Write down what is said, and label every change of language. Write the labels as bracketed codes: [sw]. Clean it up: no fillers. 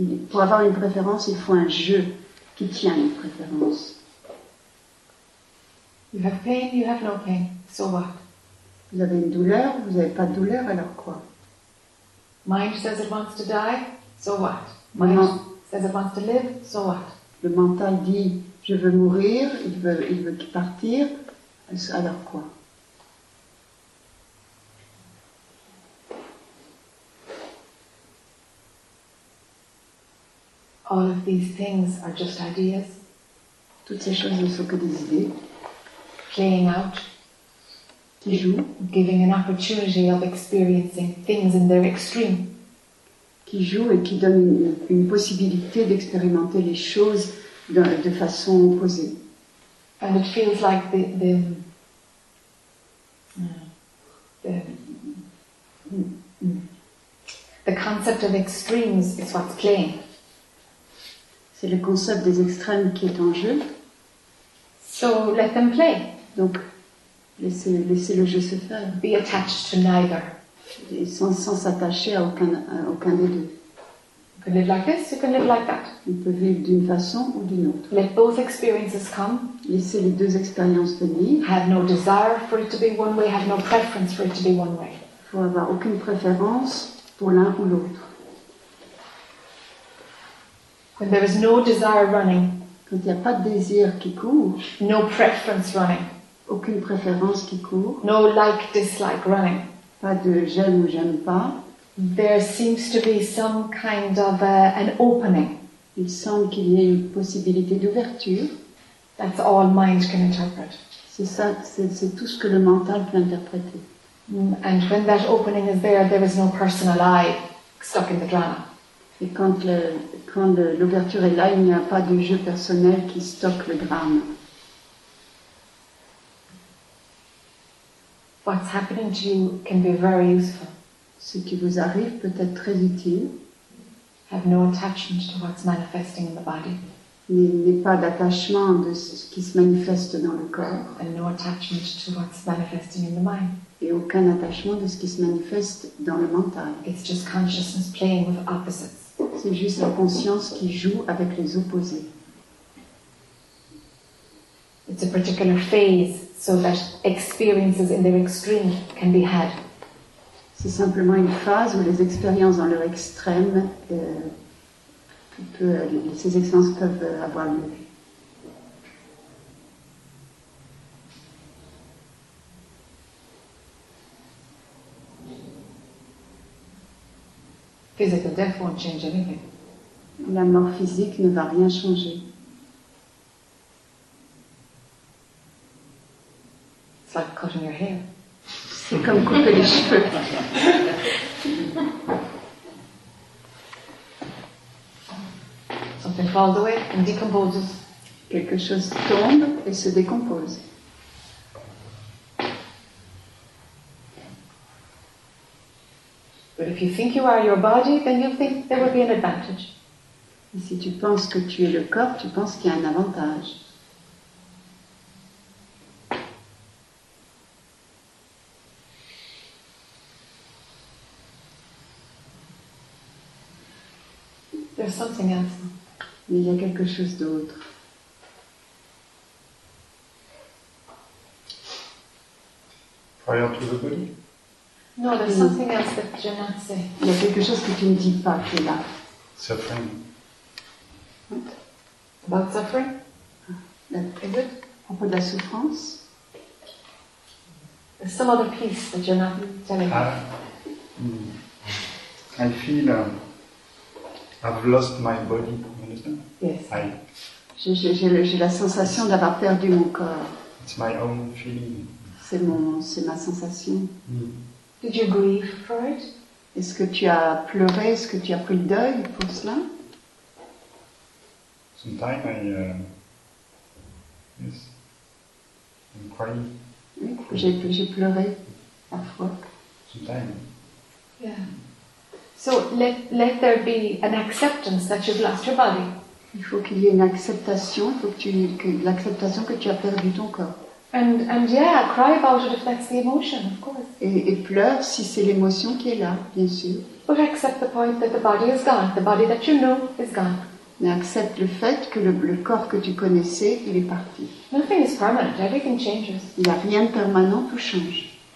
[fr] Pour avoir une préférence, il faut un jeu qui tient une préférence. [en] You have pain, you have no pain. So what? [fr] Vous avez une douleur, vous n'avez pas de douleur, alors quoi? [en] Mind says it wants to die, so what? Mind says it wants to live, so what? [fr] Le mental dit, je veux mourir, il veut partir, alors quoi? [en] All of these things are just ideas. [fr] Toutes ces choses ne sont que des idées. [en] Playing out. [fr] Qui joue. [en] Giving an opportunity of experiencing things in their extreme. [fr] Qui joue et qui donne une possibilité d'expérimenter les choses de façon opposée. [en] And it feels like the concept of extremes is what's playing. [fr] C'est le concept des extrêmes qui est en jeu. [en] So let them play. [fr] Donc, laissez le jeu se faire. [en] Be attached to neither. [fr] Et sans s'attacher à aucun des deux. [en] You can live like this, you can live like that. [fr] On peut vivre d'une façon ou d'une autre. [en] Let both experiences come. [fr] Laissez les deux expériences venir. [en] Have no desire for it to be one way, have no preference for it to be one way. [fr] Faut avoir aucune préférence pour l'un ou l'autre. [en] When there is no desire running. [fr] Quand il n'y a pas de désir qui court. [en] No preference running. [fr] Aucune préférence qui court. [en] No like dislike running. [fr] Pas de j'aime ou j'aime pas. [en] There seems to be some kind of an opening. [fr] Il semble qu'il y ait une possibilité d'ouverture. [en] That's all mind can interpret. [fr] C'est ça, c'est tout ce que le mental peut interpréter. [en] And when that opening is there, there is no personal I stuck in the drama. [fr] Et quand le, quand l'ouverture est là, il n'y a pas de jeu personnel qui stocke le drame. [en] What's happening to you can be very useful. [fr] Ce qui vous arrive peut être très utile. [en] Have no attachment to what's manifesting in the body. [fr] N'ayez pas d'attachement de ce qui se manifeste dans le corps. [en] And no attachment to what's manifesting in the mind. [fr] Et aucun attachement de ce qui se manifeste dans le mental. [en] It's just consciousness playing with opposites. [fr] C'est juste la conscience qui joue avec les opposés. [en] It's a particular phase so that experiences in their extreme can be had. [fr] C'est simplement une phase où les expériences dans leur extrême, ces expériences peuvent avoir lieu. [en] Physical death won't change anything. [fr] La mort physique ne va rien changer. [en] It's like cutting your hair. [fr] C'est comme couper les cheveux. [en] Something falls away and decomposes. [fr] Quelque chose tombe et se décompose. [en] But if you think you are your body, then you think there will be an advantage. [fr] Et si tu penses que tu es le corps, tu penses qu'il y a un avantage. [en] There's something else. [fr] Mais il y a quelque chose d'autre. [en] Prior to the body? No, there's something else that you're not saying. [fr] Il y a quelque chose que tu ne dis pas qui est là. [en] Suffering. What? About suffering? Is it? [fr] À propos de la souffrance? [en] There's some other piece that you're not telling me. I feel... I've lost my body, you understand? Yes. [fr] J'ai la sensation d'avoir perdu mon corps. [en] It's my own feeling. [fr] C'est ma sensation. [en] Did you grieve for it? [fr] Est-ce que tu as pleuré? Est-ce que tu as pris le deuil pour cela? [en] Sometimes I'm crying. [fr] Oui, j'ai pleuré parfois. [en] Sometimes. Yeah. So let there be an acceptance that you've lost your body. [fr] Il faut qu'il y ait une acceptation, l'acceptation que tu as perdu ton corps. [en] And yeah, cry about it if that's the emotion, of course. [fr] Et pleure si c'est l'émotion qui est là, bien sûr. [en] But accept the point that the body is gone, the body that you know is gone. [fr] Mais accepte le fait que le corps que tu connaissais, il est parti. [en] Nothing is permanent, everything changes. [fr] Il n'y a rien de permanent, tout change.